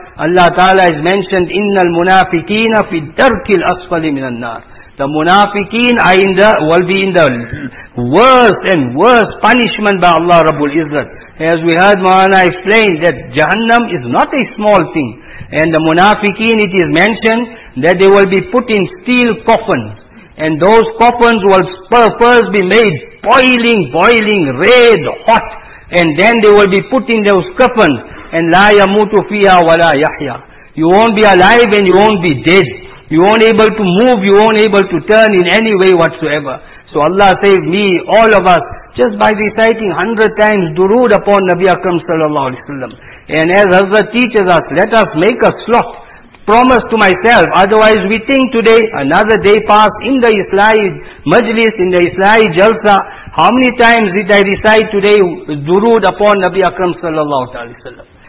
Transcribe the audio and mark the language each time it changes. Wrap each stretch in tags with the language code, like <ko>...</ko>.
<en>Allah Ta'ala has mentioned,</en> <ar>إِنَّ الْمُنَافِقِينَ فِي الدَّرْكِ الْأَسْفَلِ مِنَ النَّارِ.</ar> <en>The munafiqeen will be in the worst and worst punishment by Allah Rabbul Izzat. As we heard Maulana explain that Jahannam is not a small thing. And the munafiqeen, it is mentioned that they will be put in steel coffins. And those coffins will first be made boiling, red, hot. And then they will be put in those coffins. And</en> <ar>لا يموت فيها ولا يحيا.</ar> <en>You won't be alive and you won't be dead. You won't able to move, you won't able to turn in any way whatsoever. So Allah save me, all of us, just by reciting 100 times durood upon Nabi Akram sallallahu alayhi wa sallam. And as Hazrat teaches us, let us make a slot, promise to myself, otherwise we think today, another day passed in the Islahi majlis, in the Islahi jalsa, how many times did I recite today durood upon Nabi Akram sallallahu alayhi wa sallam?</en>